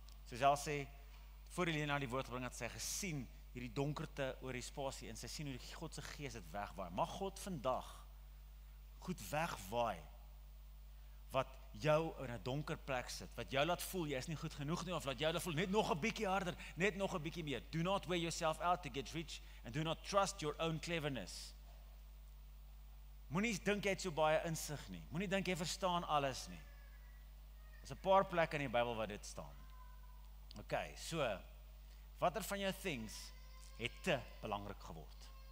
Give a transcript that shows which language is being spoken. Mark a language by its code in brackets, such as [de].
[af] So self sê, voor die Lena die woord bring, het sy gesien hierdie donkerte oor die spasie, en sy sien hoe die Godse gees het wegwaai. Mag God vandag goed wegwaai wat jou in 'n donker plek sit, wat jou laat voel, jy is nie goed genoeg nie, of laat jou laat voel, net nog 'n bietjie harder, net nog 'n bietjie meer. [en] Do not wear yourself out to get rich, and do not trust your own cleverness. [af] Moenie dink jy het so baie insig nie, moenie dink jy verstaan alles nie. Daar's 'n paar plekke in die Bybel waar dit staan. Ok, so, watter van jou things het te belangrik geword?